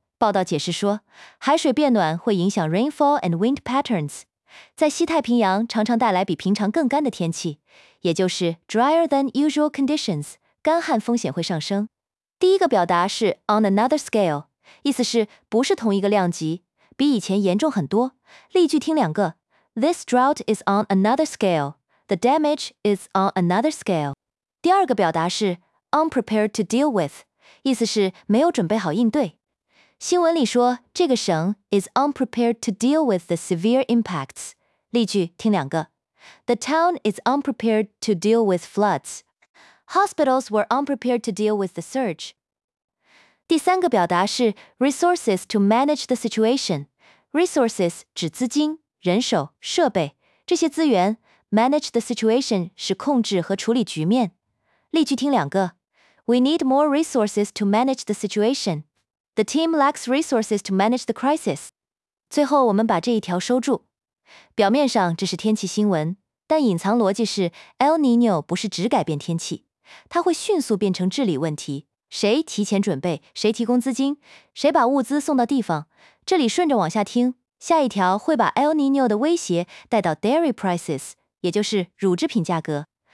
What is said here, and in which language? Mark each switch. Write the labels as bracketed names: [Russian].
[Chinese] 报道解释说，海水变暖会影响 rainfall and wind patterns，在西太平洋常常带来比平常更干的天气，也就是 drier than usual conditions，干旱风险会上升。第一个表达是 on another scale， 意思是不是同一个量级，比以前严重很多。 [English] 例句听两个， This drought is on another scale， The damage is on another scale。 [Chinese] 第二个表达是 unprepared to deal with， 意思是没有准备好应对。 [English] 新闻里说，这个省 is unprepared to deal with the severe impacts。 [Chinese] 例句，听两个。 [English] The town is unprepared to deal with floods. Hospitals were unprepared to deal with the surge. 第三个表达是 resources to manage the situation。 [Chinese] Resources 指资金、人手、设备，这些资源。 Manage the situation 是控制和处理局面。例句，听两个。 [English] We need more resources to manage the situation. The team lacks resources to manage the crisis. [Chinese] 最后我们把这一条收住。表面上这是天气新闻，但隐藏逻辑是 El Nino 不是只改变天气，它会迅速变成治理问题。谁提前准备，谁提供资金，谁把物资送到地方。这里顺着往下听，下一条会把 El Nino 的威胁带到 dairy prices， 也就是乳制品价格。